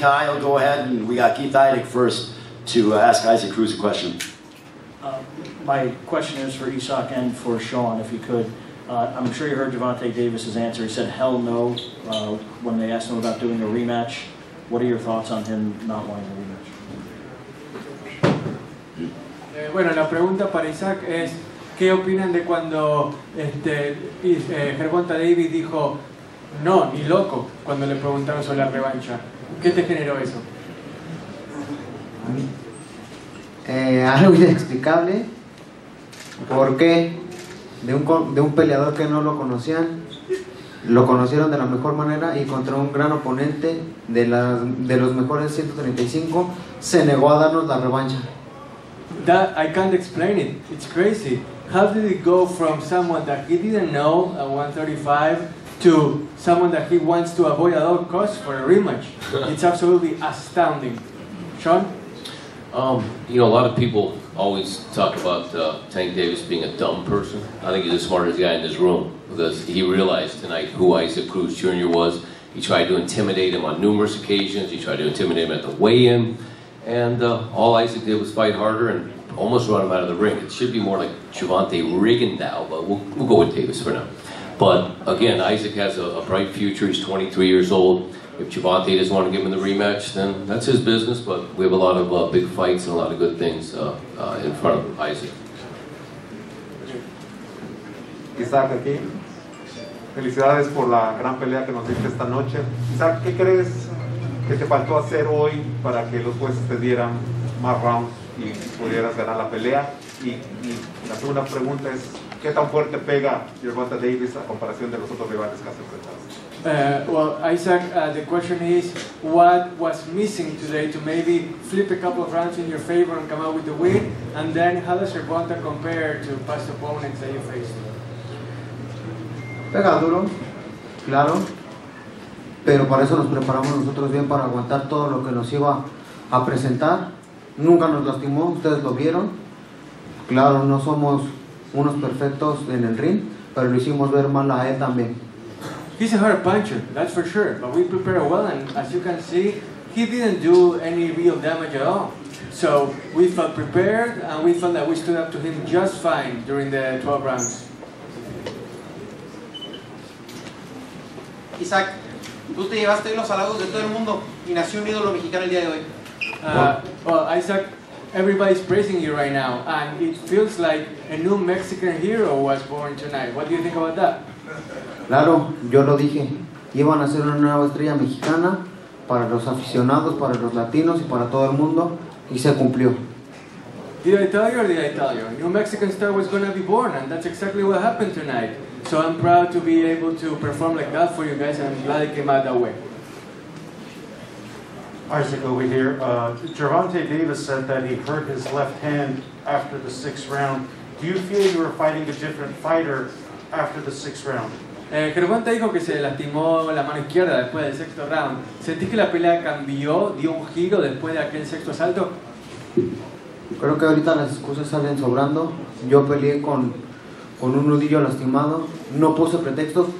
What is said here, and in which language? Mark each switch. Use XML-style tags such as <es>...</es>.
<en>Kyle, go ahead, and we got Keith Idick first to ask Isaac CRUZ a question. My question is for Isak and for Sean, if you could. I'm sure you heard Gervonta Davis' answer. He said, hell no, when they asked him about doing a rematch. What are your thoughts on him not wanting a rematch?</en> <es>Bueno, la pregunta para Isaac es, ¿qué opinan de cuando Gervonta Davis dijo, no, ni loco, cuando le preguntaron sobre la revancha? ¿Qué te generó eso? Algo inexplicable. ¿Por qué? De un peleador que no lo conocían, lo conocieron de la mejor manera y contra un gran oponente de los mejores 135, se negó a darnos la revancha.</es> <en>That I can't explain it. It's crazy. How did it go from someone that he didn't know at 135 to someone that he wants to avoid at all costs for a rematch? It's absolutely astounding. Sean? You know, a lot of people always talk about Tank Davis being a dumb person. I think he's the smartest guy in this room because he realized tonight who Isaac CRUZ Jr. was. He tried to intimidate him on numerous occasions. He tried to intimidate him at the weigh-in. And all Isaac did was fight harder and almost run him out of the ring. It should be more like Gervonta Rigondeaux, but we'll go with Davis for now. But again, Isaac has a bright future. He's 23 years old. If Gervonta doesn't want to give him the rematch, then that's his business, but we have a lot of big fights and a lot of good things in front of Isaac.</en> <es>Isaac, aquí. Felicidades por la gran pelea que nos diste esta noche. Isaac, ¿qué crees que te faltó hacer hoy para que los jueces te dieran más rounds y pudieras ganar la pelea? Y la segunda pregunta es, ¿qué tan fuerte pega Gervonta Davis a comparación de los otros rivales que has enfrentado?</es> <en>Well, Isaac, the question is, what was missing today to maybe flip a couple of rounds in your favor and come out with the win? And then, how does Gervonta compare to past opponents that you faced?</en> <es>Pega duro, claro. Pero para eso nos preparamos nosotros bien, para aguantar todo lo que nos iba a presentar. Nunca nos lastimó, ustedes lo vieron. Claro, no somos unos perfectos en el ring, pero lo hicimos ver mal a él también.</es> <en>He's a hard puncher, that's for sure. But we prepared well, and as you can see, he didn't do any real damage at all. So we felt prepared, and we felt that we stood up to him just fine during the 12 rounds.</en> <es>Isaac, tú te llevaste los halagos de todo el mundo y nació un ídolo mexicano el día de hoy.</es> <en>Well, Isaac, everybody's praising you right now, and it feels like a new Mexican hero was born tonight. What do you think about that?</en> <es>Claro, yo lo dije. Iban a ser una nueva estrella mexicana para los aficionados, para los latinos y para todo el mundo, y se cumplió.</es> <en>Did I tell you or did I tell you? A new Mexican star was going to be born, and that's exactly what happened tonight. So I'm proud to be able to perform like that for you guys, and I'm glad it came out that way. Isaac over here. Gervonta Davis said that he hurt his left hand after the sixth round. Do you feel you were fighting a different fighter after the sixth round?</en> <es>Gervonta dijo que se lastimó la mano izquierda después del sexto round. ¿Sentí que la pelea cambió, dio un giro después de aquel sexto asalto? Creo que ahorita las excusas salen sobrando. Yo peleé con un nudillo lastimado. No puse pretextos.</es>